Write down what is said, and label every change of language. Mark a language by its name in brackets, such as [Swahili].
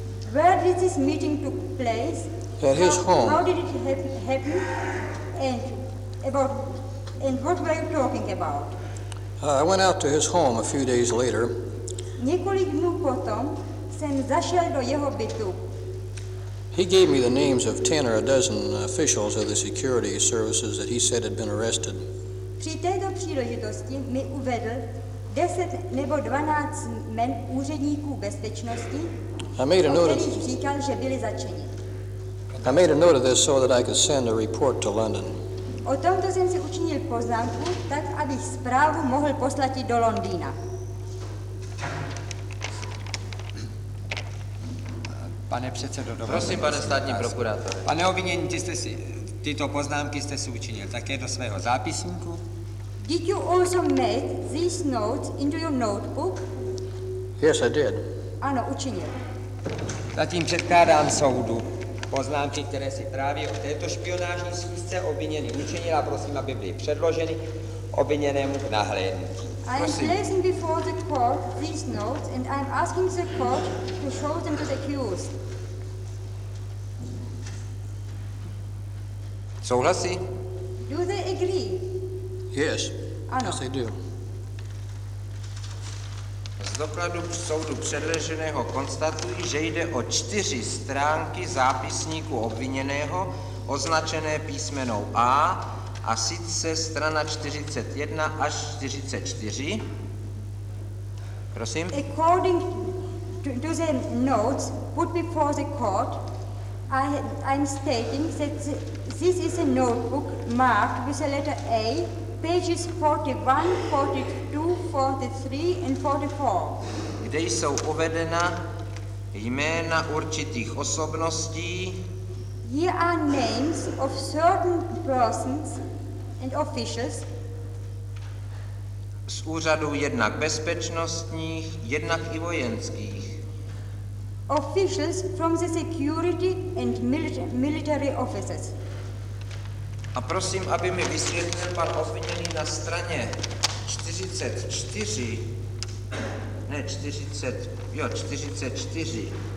[English] Where did this meeting took place? At his home. How did it happen? And what were you talking about? I went out to his home a few days later. [Czech] Několik dnů potom jsem zašel do jeho bytu. [English] He gave me the names of 10 or a dozen officials of the security services that he said had been arrested. [Czech] Při této příležitosti mi uvedl 10 nebo 12 jmen úředníků bezpečnosti, říkal, že byli začeni. [English] I made a note of this so that I could send a report to London. [Czech] O tomto jsem si učinil poznámku, tak abych zprávu mohl poslat do Londýna. Pane předsedo, dobře. Prosím, pane státní prokurátor. Pane obvinění, tyto poznámky jste si učinil také do svého zápisníku. [English] Did you also make these notes into your notebook? Yes, I did. [Czech] Ano, učinil. Zatím předkládám soudu poznámky, které si právě o této špionážní schůzce obviněný učinil, a prosím, aby byly předloženy obviněnému k nahlédnutí. [English] I am placing before the court these notes and I am asking the court to show them to the accused. [Czech] Souhlasí? [English] Do they agree? Yes. [Czech] Ano. [English] Yes, they do. [Czech] Z dokladu soudu předloženého konstatuji, že jde o 4 stránky zápisníku obviněného označené písmenou A, a sice strana 41 až 44. Prosím. [English] According to the notes put before the court, I'm stating that this is a notebook marked with the letter A, pages 41, 42, 43 and 44. [Czech] Kde jsou uvedena jména určitých osobností. [English] Here are names of certain persons and officials. [Czech] Z úřadů jednak bezpečnostních, jednak i vojenských. [English] Officials from the security and military officers. [Czech] A prosím, aby mi vysvětlil pan obviněný na straně 44, ne 40, jo, 44.